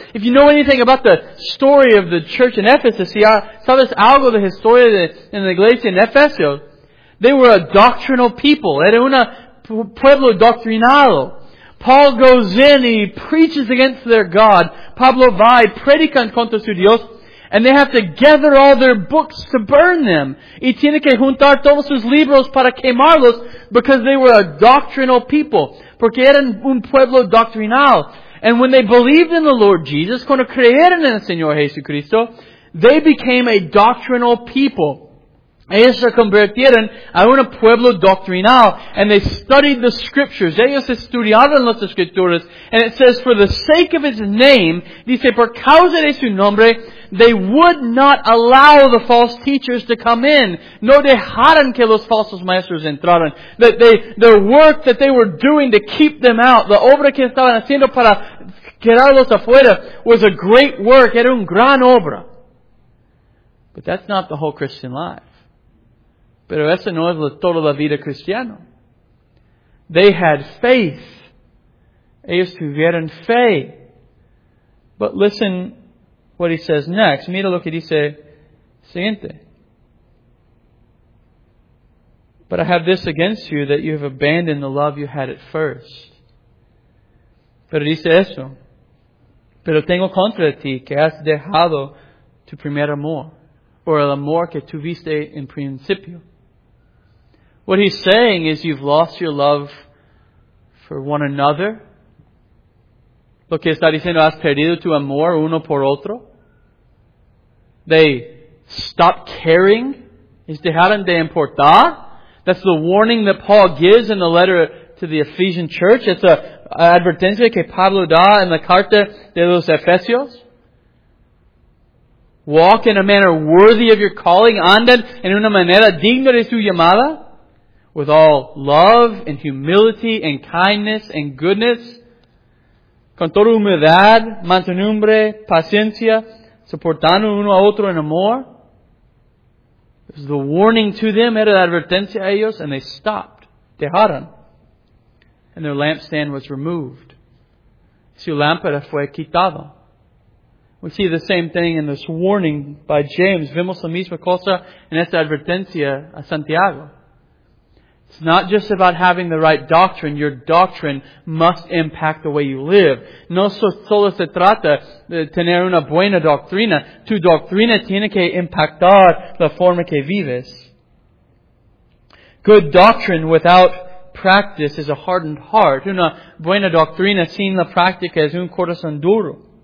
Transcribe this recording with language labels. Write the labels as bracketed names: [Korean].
[English] If you know anything about the story of the church in Ephesus, [Spanish] si sabes algo de historia de la iglesia en Éfeso, [English] they were a doctrinal people. [Spanish] Era un pueblo doctrinal. [English] Paul goes in and he preaches against their God. [Spanish] Pablo va y predica en contra su Dios. [English] And they have to gather all their books to burn them. [Spanish] Y tiene que juntar todos sus libros para quemarlos [English] because they were a doctrinal people. [Spanish] Porque eran un pueblo doctrinal. [English] And when they believed in the Lord Jesus, [Spanish] cuando creyeron en el Señor Jesucristo, [English] they became a doctrinal people. [Spanish] Ellos se convirtieron a un pueblo doctrinal. [English] And they studied the scriptures. [Spanish] Ellos estudiaron las escrituras. [English] And it says, for the sake of his name, [Spanish] dice, por causa de su nombre, [English] they would not allow the false teachers to come in. [Spanish] No dejaron que los falsos maestros entraran. [English] That they, the work that they were doing to keep them out, the [Spanish] obra que estaban haciendo para quedarlos afuera, [English] was a great work. [Spanish] Era un gran obra. [English] But that's not the whole Christian life. [Spanish] Pero esa no es toda la vida cristiana. [English] They had faith. [Spanish] Ellos tuvieron fe. [English] But listen what he says next. [Spanish] Mira lo que dice siguiente. [English] But I have this against you, that you have abandoned the love you had at first. [Spanish] Pero dice eso. Pero tengo contra ti que has dejado tu primer amor, or el amor que tuviste en principio. [English] What he's saying is you've lost your love for one another. [Spanish] Lo que está diciendo, has perdido tu amor uno por otro. [English] They stopped caring. [Spanish] Es dejaron de importar. [English] That's the warning that Paul gives in the letter to the Ephesian church. It's an [Spanish] advertencia que Pablo da in the carta de los Efesios. [English] Walk in a manner worthy of your calling. [Spanish] Anden en una manera digna de su llamada. [English] With all love and humility and kindness and goodness. [Spanish] Con toda humildad, mansedumbre, paciencia, soportando uno a otro en amor. [English] It was the warning to them, [Spanish] era la advertencia a ellos, [English] and they stopped. [Spanish] Dejaron. [English] And their lampstand was removed. [Spanish] Su lámpara fue quitada. [English] We see the same thing in this warning by James. [Spanish] Vemos la misma cosa en esta advertencia a Santiago. [English] It's not just about having the right doctrine. Your doctrine must impact the way you live. [Spanish] No solo se trata de tener una buena doctrina. Tu doctrina tiene que impactar la forma que vives. [English] Good doctrine without practice is a hardened heart. [Spanish] Una buena doctrina sin la práctica es un corazón duro.